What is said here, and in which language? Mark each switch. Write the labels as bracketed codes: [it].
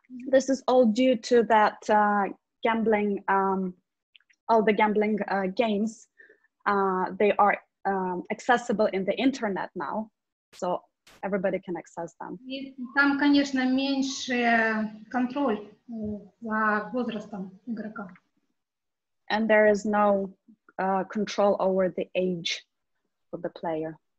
[en] This is all due to that gambling, all the gambling games, they are accessible in the internet now, so everybody can access them. [ru] И там, конечно, меньше контроль за возрастом игрока. [en] And there is no control over the age of the player.